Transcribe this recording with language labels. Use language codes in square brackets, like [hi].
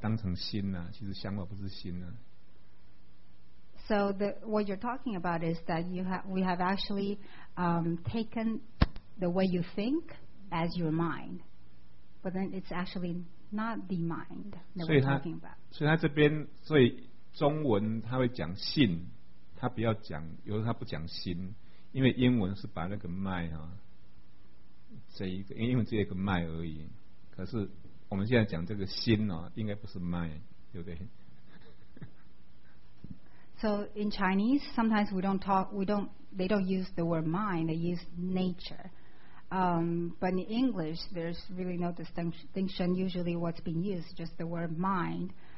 [zh] 也就是说我们把我们的想法当成心呢，其实想法不是心呢。 [en] So what you're talking about is that we have actually taken the way you think as your mind, but then it's actually not the mind that we're talking about. [zh] 所以他这边，所以中文他会讲心，他不要讲，有时候他不讲心，因为英文是把那个mind啊，这一个，因为只有一个mind而已。可是我们现在讲这个心哦，应该不是mind，对不对？ [en] So in Chinese, sometimes they don't use the word mind, they use nature. But in English, there's really no distinction. Usually what's being used, just the word mind.